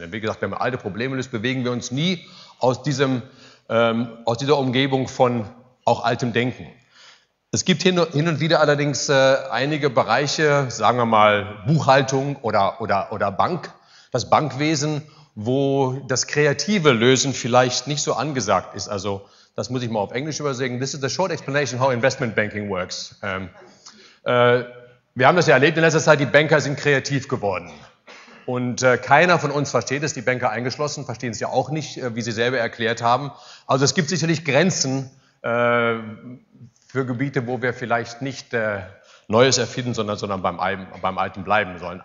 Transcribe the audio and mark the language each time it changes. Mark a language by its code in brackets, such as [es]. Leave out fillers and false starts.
[de] Denn wie gesagt, wenn man alte Probleme löst, bewegen wir uns nie aus dieser Umgebung von auch altem Denken. Es gibt hin und wieder allerdings einige Bereiche, sagen wir mal Buchhaltung oder Bank, das Bankwesen, wo das kreative Lösen vielleicht nicht so angesagt ist. Also das muss ich mal auf Englisch übersetzen. [en] This is the short explanation how investment banking works. [de] Wir haben das ja erlebt in letzter Zeit, die Banker sind kreativ geworden. Und keiner von uns versteht es, die Banker eingeschlossen, verstehen es ja auch nicht, wie sie selber erklärt haben. Also es gibt sicherlich Grenzen für Gebiete, wo wir vielleicht nicht Neues erfinden, sondern beim Alten bleiben sollen.